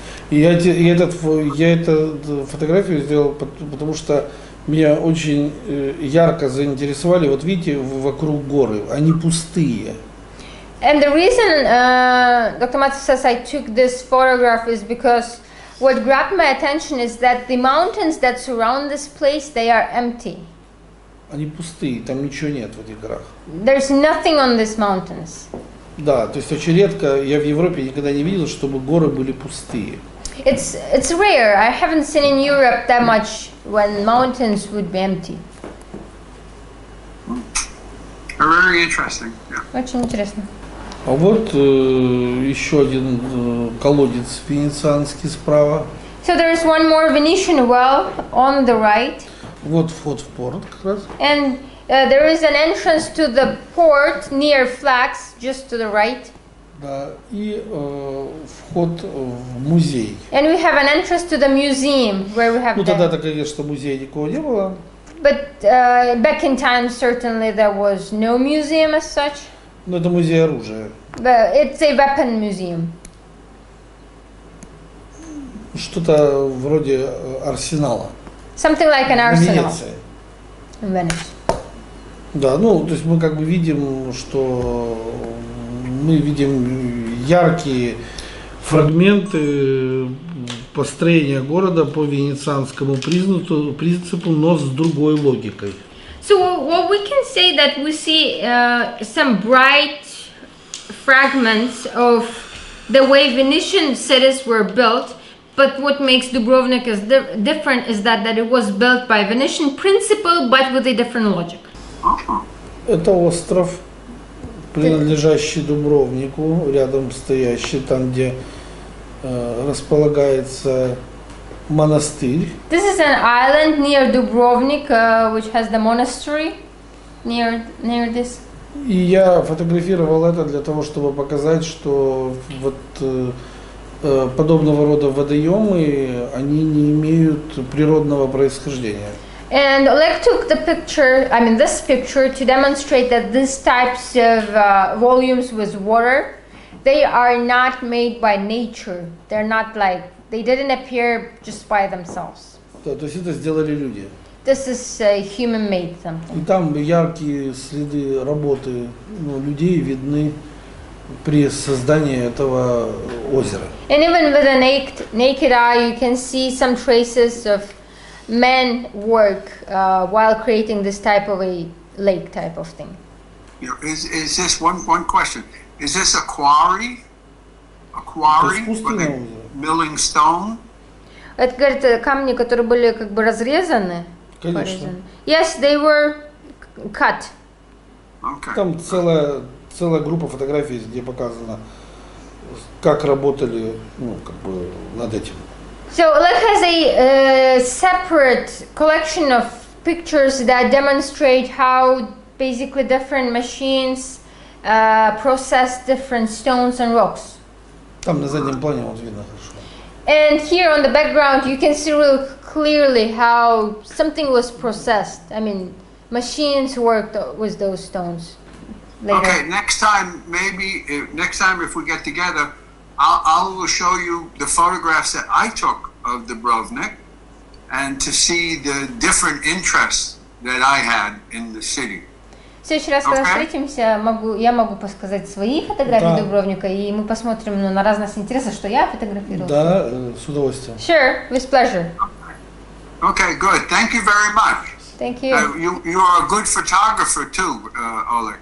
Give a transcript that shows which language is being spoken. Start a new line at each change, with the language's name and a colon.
Russian: Я эту фотографию сделал, потому что меня очень ярко заинтересовали. Вот видите, вокруг горы, они пустые.
English: And the reason Dr. Matsu says I took this photograph is because what grabbed my attention is that the mountains that surround this place, they are empty.
Russian: Они пустые, там ничего нет в этих горах.
English: There's nothing on these mountains.
Russian: Да, то есть очень редко я в Европе никогда не видел, чтобы горы были пустые.
English: It's rare. I haven't seen in Europe that much when mountains would be empty. Very interesting. Yeah.
Russian: Очень интересно. А вот еще один колодец венецианский справа.
English: So there is one more Venetian well on the right.
Russian: Вот вход в порт как раз.
English: And there is an entrance to the port near flags, just to the right.
Russian: Да, и вход в музей.
English: And we have an entrance to the museum where we have.
Russian: Ну тогда-то, конечно, музея никого не было.
English: But back in time, certainly there was no museum as such.
Russian: Но это музей оружия.
English: But it's a weapon museum.
Russian: Что-то вроде арсенала.
English: Something like an arsenal. Венеции. In Venice.
Russian: Да, ну, то есть мы как бы видим, что мы видим яркие фрагменты построения города по венецианскому принципу, но с другой логикой.
English: So what we can say that we see some bright fragments of the way Venetian cities were built, but what makes Dubrovnik is different is that it was built by Venetian principle, but with a different logic.
Russian: Это остров, принадлежащий Дубровнику, рядом стоящий там, где располагается монастырь.
English: This is an island near Dubrovnik, which has the monastery near this.
Russian: И я фотографировал это для того, чтобы показать, что вот подобного рода водоемы, они не имеют природного происхождения.
English: And Oleg took this picture to demonstrate that these types of volumes with water, they are not made by nature. They're not like, they didn't appear just by themselves.
Russian: То есть это сделали люди.
English: This is human made something.
Russian: И там яркие следы работы людей видны при создании этого озера.
English: And even with a naked eye, you can see some traces of men work while creating this type of a lake type of thing. Yeah, is this one question? Is this a quarry? A quarry for milling stone?
Russian: Это, говорит, камни, которые были как бы разрезаны. Конечно.
English: Yes, they were cut. Okay.
Russian: Там целая группа фотографий, где показано, как работали, как бы над этим.
English: So, Lech has a separate collection of pictures that demonstrate how basically different machines process different stones and rocks.
Russian: Там на заднем плане вот видно хорошо.
English: And here on the background, you can see really clearly how something was processed. I mean, machines worked with those stones. Later. Okay, next time if we get together, I'll show you the photographs that I took of Dubrovnik, and to see the different interests that I had in the city.
Russian: В следующий раз, когда встретимся, я могу показать свои фотографии Дубровника, и мы посмотрим на разность интересов, что я фотографировал. Да, с удовольствием.
English: Sure, with pleasure. Okay, good. Thank you very much. Thank you. You are a good photographer too, Oleg.